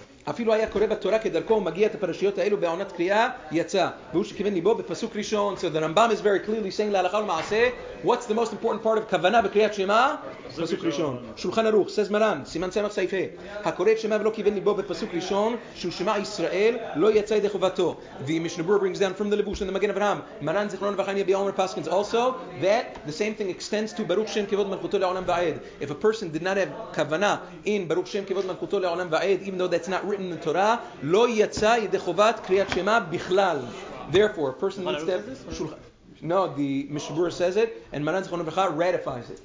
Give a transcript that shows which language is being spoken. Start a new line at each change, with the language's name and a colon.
Hebrew: אפילו היה קורא בתורה כדרכו ומגיע את הפרשיות האלו בעונת קריאה, יצא. והוא שכיוון ליבו בפסוק ראשון.
English: So the Rambam is very clearly saying
Hebrew: להלכה ולמעשה,
English: what's the most important part of כוונה בקריאת שמה?
Hebrew: פסוק ראשון. שולחן ערוך, says מרן, סימן סמך סעיפה. הקורא את שמה ולא כיוון ליבו בפסוק ראשון, שהוא שמע ישראל, לא יצא ידי חובתו.
English: The Mishnah Berurah brings down from the Levush and the Magen Avraham.
Hebrew: מרן זכרון וחיים יביא עומר פסקינס
English: also, that the same thing extends to ברוך שם כבוד מלכותו לעולם ועד. If a person did not have כוונה in ברוך שם כבוד מלכותו לעולם ועד, even though that's not written in the Torah,
Hebrew: לא יצא ידי חובת קריאת שמה בכלל.
English: Therefore, a person needs to have... No, the Mishabura says it, and Maran Zichrono Berachah ratifies it.